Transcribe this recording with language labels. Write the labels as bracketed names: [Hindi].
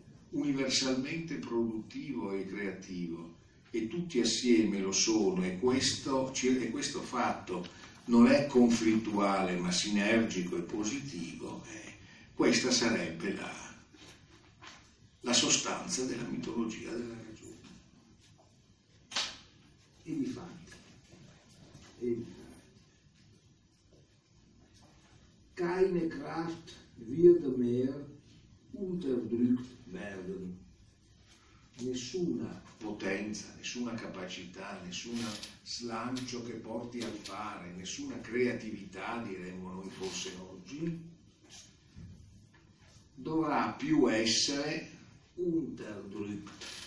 [Italian] universalmente produttivo e creativo, e tutti assieme lo sono, e questo fatto non è conflittuale ma sinergico e positivo, questa sarebbe la sostanza della mitologia della ragione. E di fatto, [German] keine Kraft wird mehr unterdrückt werden. [Italian] Nessuna potenza, nessuna capacità, nessun slancio che porti al fare, nessuna creatività, diremmo noi forse oggi, dovrà più essere [German] unterdrückt,